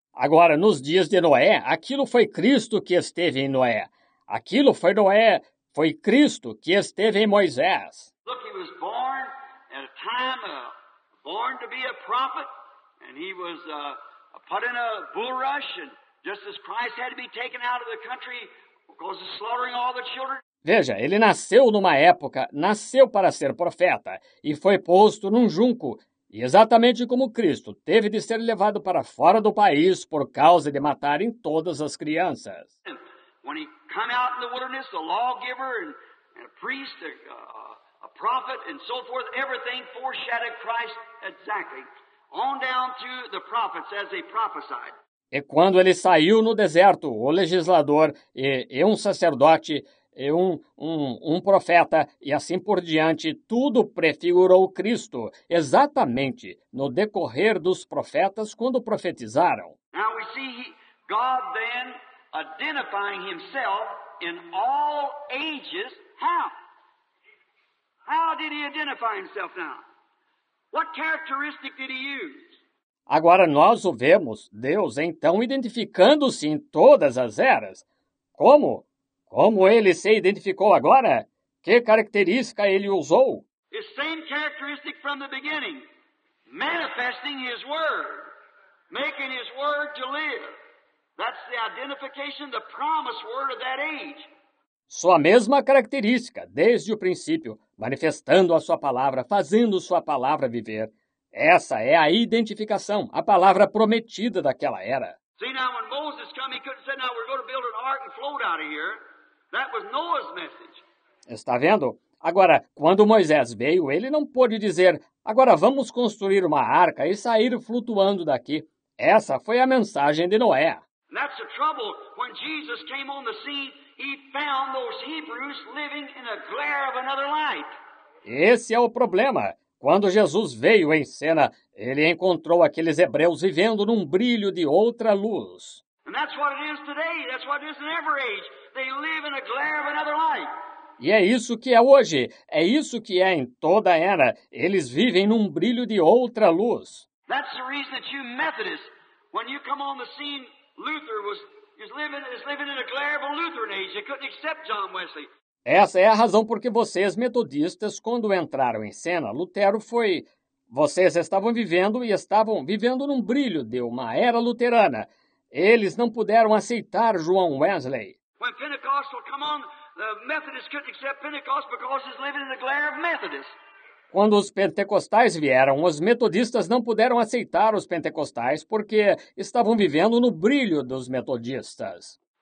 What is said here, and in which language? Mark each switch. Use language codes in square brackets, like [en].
[pt] Agora, nos dias de Noé, aquilo foi Cristo que esteve em Noé. Aquilo foi Noé, foi Cristo que esteve em Moisés. [en] Look, he was born at a time, born to be a prophet, and he was put in a bulrush, and just as Christ had to be taken out of the country because of slaughtering all the children. [pt] Veja, ele nasceu numa época, nasceu para ser profeta, e foi posto num junco, e exatamente como Cristo, teve de ser levado para fora do país por causa de matarem todas as crianças. [en] When he came out in the wilderness, a lawgiver and a priest, a prophet and so forth, everything foreshadowed Christ exactly, on down to the prophets as they prophesied. [pt] E quando ele saiu no deserto, o legislador e um sacerdote, e um profeta, e assim por diante, tudo prefigurou Cristo, exatamente no decorrer dos profetas quando profetizaram. [en] Now we see God then identifying himself in all ages. How? How did he identify himself now? What characteristic did he use? [pt] Agora nós o vemos, Deus, então, identificando-se em todas as eras. Como? Como ele se identificou agora? Que característica ele usou? [en] The same characteristic from the beginning. Manifesting his word. Making his word to live. That's the identification, the promised word of that age. [pt] Sua mesma característica, desde o princípio, manifestando a sua palavra, fazendo sua palavra viver. Essa é a identificação, a palavra prometida daquela era. [en] See, now when Moses came, he couldn't say, now we're going to build an ark and float out of here. That was Noah's message. [pt] Está vendo? Agora, quando Moisés veio, ele não pôde dizer, agora vamos construir uma arca e sair flutuando daqui. Essa foi a mensagem de Noé. [en] And that's the trouble. When Jesus came on the scene, he found those Hebrews living in the glare of another light. [pt] Esse é o problema. Quando Jesus veio em cena, ele encontrou aqueles hebreus vivendo num brilho de outra luz. [en] And that's what it is today. That's what it is in every age. They live in the glare of another light. [pt] E é isso que é hoje. É isso que é em toda era. Eles vivem num brilho de outra luz. [en] That's the reason that you Methodists, when you come on the scene, Luther was living in a glare of a Lutheran age. They couldn't accept John Wesley. [pt] Essa é a razão porque vocês, metodistas, quando entraram em cena, Lutero foi... Vocês estavam vivendo e estavam vivendo num brilho de uma era luterana. Eles não puderam aceitar João Wesley. [en] When Pentecostal come on, the Methodists couldn't accept Pentecost because he's living in the glare of Methodists. [pt] Quando os pentecostais vieram, os metodistas não puderam aceitar os pentecostais porque estavam vivendo no brilho dos metodistas.